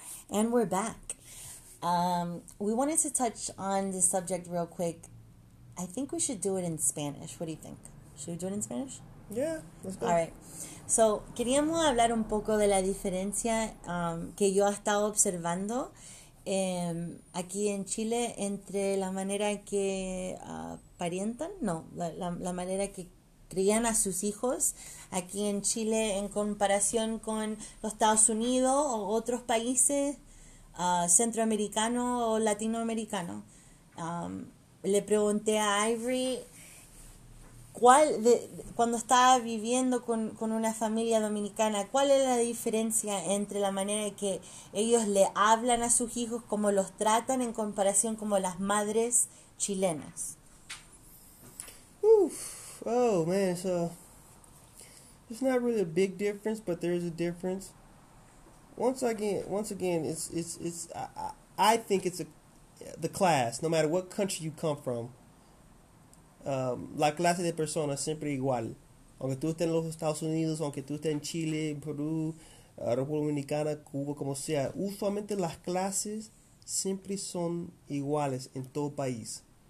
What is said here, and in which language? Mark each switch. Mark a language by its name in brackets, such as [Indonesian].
[English] And we're back. We wanted to touch on the subject real quick. I think we should do it in Spanish. What do you think? Should we do it in Spanish? Yeah, let's All go. right. [Spanish] So, queríamos hablar un poco de la diferencia que yo he estado observando aquí en Chile entre la manera que parientan, no, la manera que crían a sus hijos aquí en Chile en comparación con los Estados Unidos o otros países centroamericanos o latinoamericanos. Le pregunté a Ivory cuando estaba viviendo con una familia dominicana, ¿cuál es la diferencia entre la manera en que ellos le hablan a sus hijos, cómo los tratan en comparación con las madres chilenas? Oof. [English] Oh man, so it's not really a big difference, but there is a difference. Once again, it's I think it's the class, no matter what country you come from. [Spanish] La clase de persona siempre igual. Aunque tú estés en los Estados Unidos, aunque tú estés en Chile, en Perú, República Dominicana, Cuba, como sea, usualmente las clases siempre son iguales en todo país.